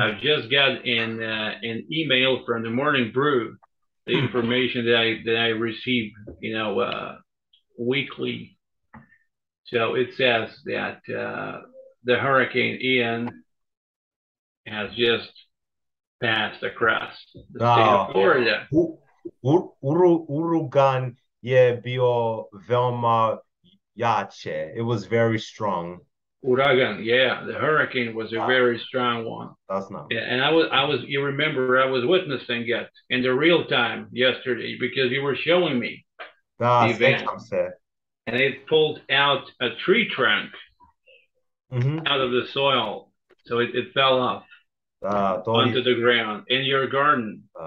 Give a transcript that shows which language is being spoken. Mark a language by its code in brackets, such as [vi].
[en] I've just got an email from the Morning Brew, the information that I receive, weekly. So it says that the hurricane Ian has just passed across the state of Florida. [sr] Urugan je bio veoma jače. [en] It was very strong. Uragan, yeah, the hurricane was a very strong one. That's not. Yeah, and I was. You remember, I was witnessing it in the real time yesterday because you were showing me the event. And it pulled out a tree trunk out of the soil, so it fell off onto the ground in your garden.